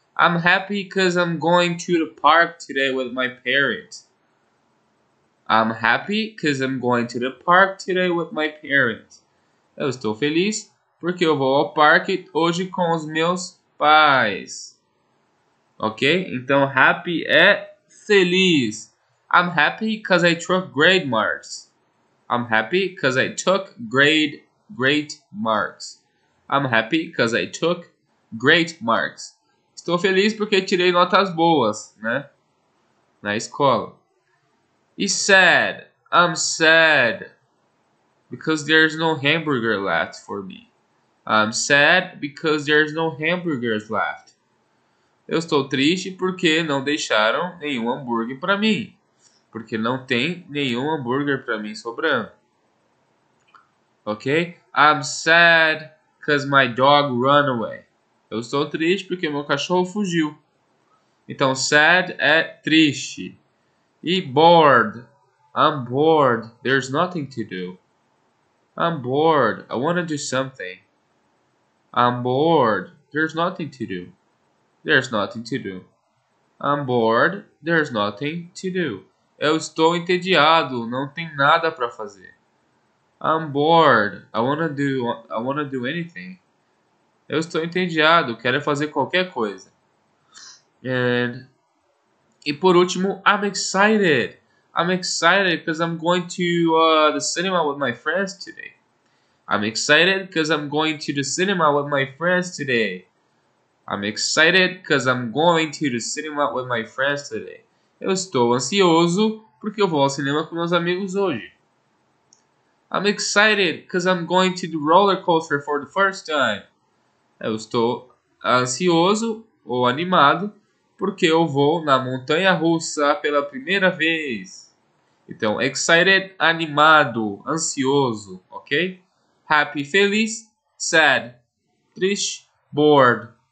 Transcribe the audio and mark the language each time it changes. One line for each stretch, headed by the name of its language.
English: I'm happy because I'm going to the park today with my parents. I'm happy because I'm going to the park today with my parents.
Portuguese: Eu estou feliz porque eu vou ao parque hoje com os meus pais. Ok? Então, happy é feliz.
English: I'm happy because I took great marks. I'm happy because I took great marks. I'm happy because I took great marks.
Portuguese: Estou feliz porque tirei notas boas, né? Na escola. E sad.
English: I'm sad because there's no hamburger left for me. I'm sad because there's no hamburgers left.
Portuguese: Eu estou triste porque não deixaram nenhum hambúrguer para mim. Porque não tem nenhum hambúrguer para mim sobrando.
English: Ok? I'm sad because my dog ran away.
Portuguese: Eu estou triste porque meu cachorro fugiu. Então, sad é triste.
English: E bored. I'm bored. There's nothing to do. I'm bored. I want to do something. I'm bored. There's nothing to do. There's nothing to do. I'm bored. There's nothing to do.
Portuguese: Eu estou entediado, não tem nada para fazer.
English: I'm bored. I wanna do anything.
Portuguese: Eu estou entediado, quero fazer qualquer coisa. E por último,
English: I'm excited. I'm excited because I'm going to the cinema with my friends today. I'm excited because I'm going to the cinema with my friends today. I'm excited because I'm going to the cinema with my friends today.
Portuguese: Eu estou ansioso porque eu vou ao cinema com meus amigos hoje.
English: I'm excited because I'm going to the roller coaster for the first time.
Portuguese: Eu estou ansioso ou animado porque eu vou na montanha-russa pela primeira vez. Então, excited, animado, ansioso, ok? Happy, feliz, sad, triste, bored.